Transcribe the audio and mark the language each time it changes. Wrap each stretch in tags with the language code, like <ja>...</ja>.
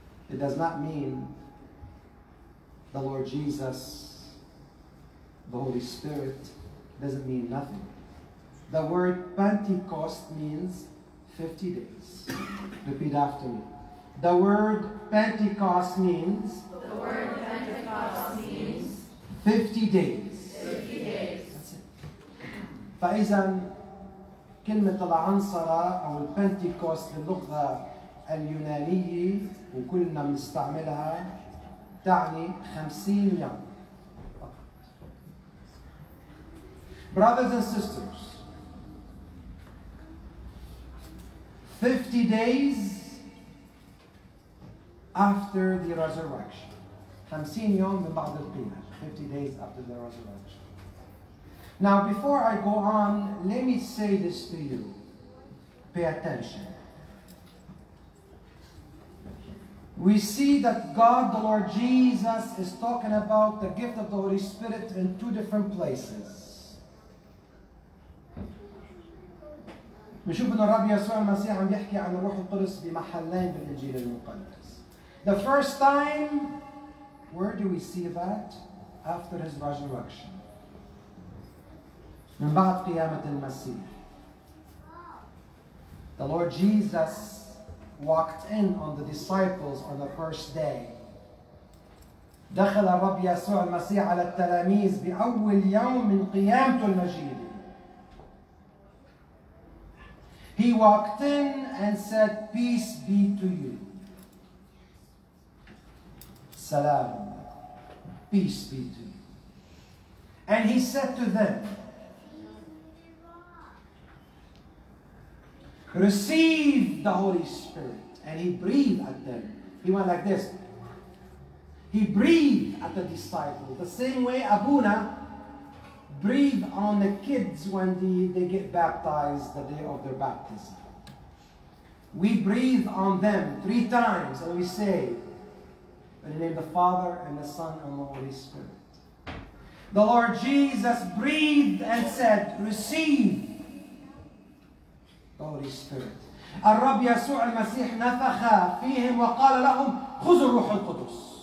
<en>It does not mean the Lord Jesus, the Holy Spirit, doesn't mean nothing. The word Pentecost means 50 days. Repeat after me. The word Pentecost means 50 days. 50 days. That's it.</en> <ar>فإذا كلمة العنصرة أو البنتيكوست باللغة اليونانية وكلنا بنستعملها تعني 50 يوم.</ar> <en>Brothers and sisters, 50 days after the resurrection.</en> <ar>50 يوم من بعد القيامة.</ar> <en>50 days after the resurrection. Now, before I go on, let me say this to you. Pay attention. We see that God, the Lord Jesus, is talking about the gift of the Holy Spirit in two different places.</en> <ar>بنشوف إنه الرب يسوع المسيح عم يحكي عن الروح القدس بمحلين بالإنجيل المقدس.</ar> <en>The first time, where do we see that? After his resurrection.</en> <ar>من بعد قيامة المسيح.</ar> <en>The Lord Jesus walked in on the disciples on the first day.</en> <ar>دخل الرب يسوع المسيح على التلاميذ بأول يوم من قيامته المجيدة.</ar> <en>He walked in and said, "Peace be to you." Salam. Peace be to you. And he said to them, "Receive the Holy Spirit." And he breathed at them. He went like this. He breathed at the disciples the same way Abuna breathe on the kids when they get baptized the day of their baptism. We breathe on them 3 times and we say, in the name of the Father and the Son and the Holy Spirit. The Lord Jesus breathed and said, receive the Holy Spirit.</en> <ar>الرب يسوع المسيح نفخ فيهم وقال لهم خذوا الروح القدس.</ar>